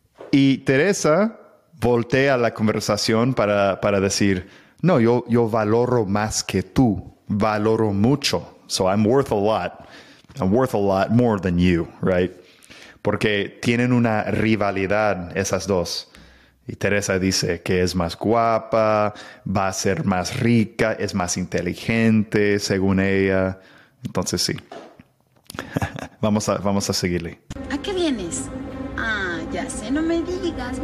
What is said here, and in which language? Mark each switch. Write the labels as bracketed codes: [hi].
[es] Y Teresa voltea la conversación para decir, no, yo valoro más que tú, valoro mucho. [en] So I'm worth a lot more than you, right? [es] Porque tienen una rivalidad esas dos. Y Teresa dice que es más guapa, va a ser más rica, es más inteligente, según ella. Entonces, sí. vamos a seguirle. ¿A qué vienes? Ah, ya sé, no me digas.